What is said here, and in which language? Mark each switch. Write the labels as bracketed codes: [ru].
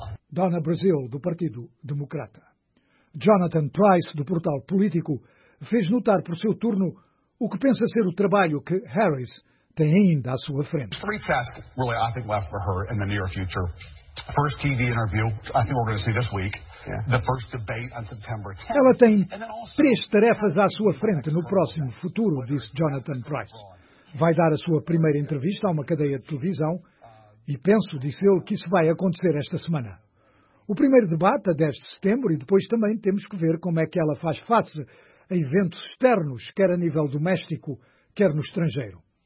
[pt] Donna Brazile, do Partido Democrata. Jonathan Price, do Portal Político, fez notar por seu turno o que pensa ser o trabalho que Harris tem ainda à sua frente. [en] Três tasks, really, I think, left for her in the near future. First TV interview, I think we're going to see this week. The first debate on September 10th. [pt] Ela tem 3 tarefas à sua frente no próximo futuro, disse Jonathan Price. Vai dar a sua primeira entrevista a uma cadeia de televisão e penso, disse ele, que isso vai acontecer esta semana. O primeiro debate, a 10 de setembro, e depois também temos que ver como é que ela faz face a eventos externos, quer a nível doméstico, quer no estrangeiro.